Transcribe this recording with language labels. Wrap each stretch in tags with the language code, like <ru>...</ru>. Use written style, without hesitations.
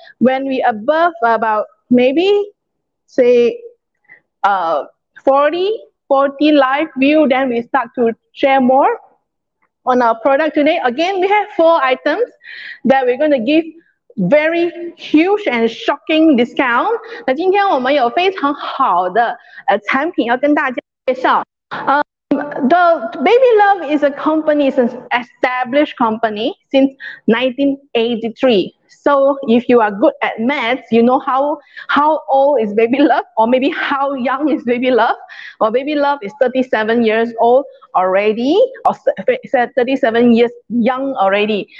<en>When we above about maybe, say, 40 live view, then we start to share more on our product today. Again, we have four items that we're going to give very huge and shocking discount.</en> <zh>那今天我们有非常好的产品要跟大家介绍。</zh> <en>The Baby Love is a company, it's an established company since 1983. So if you are good at maths, you know how old is Baby Love, or maybe how young is Baby Love. Well, Baby Love is 37 years old already, or 37 years young already.</en>